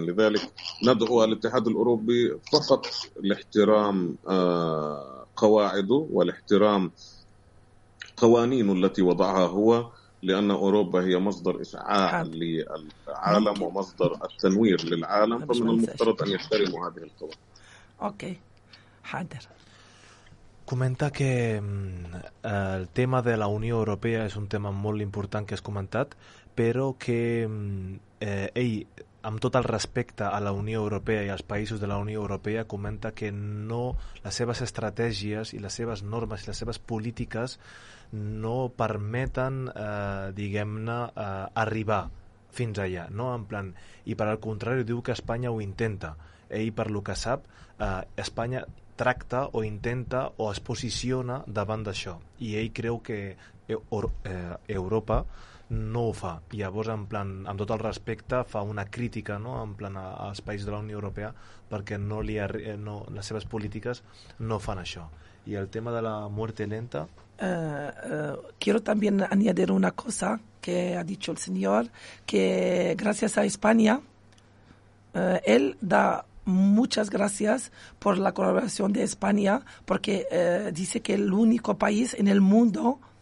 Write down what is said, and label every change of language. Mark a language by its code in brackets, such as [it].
[ar] لذلك ندعو الاتحاد الأوروبي فقط لاحترام قواعده والاحترام قوانينه التي وضعها هو، لأن أوروبا هي مصدر إشعاع للعالم ومصدر التنوير للعالم، فمن المفترض أن يحترموا هذه القوانين. أوكي حاضر. [es] Comenta que el tema de la Unión Europea es un tema [ca] molt important que has comentat, però que ell, amb tot el respecte a la Unió Europea i als països de la Unió Europea, comenta que no, les seves estratègies i les seves normes i les seves polítiques no permeten, diguem-ne, arribar fins allà, no? En plan, i per al contrari, diu que Espanya ho intenta. Ell, per lo que sap, Espanya tracta o intenta o es posiciona davant d'això. I ell creu que Europa no ho fa. Llavors, en plan, amb tot el respecte, fa una crítica, no? En plan, als països de la Unió Europea perquè no li no, les seves polítiques no fan això. [es] I el tema de la muerte lenta... Quiero también añadir una cosa que ha dicho el señor, que gracias a España, él da muchas gracias por la colaboración de España, porque dice que el único país en el mundo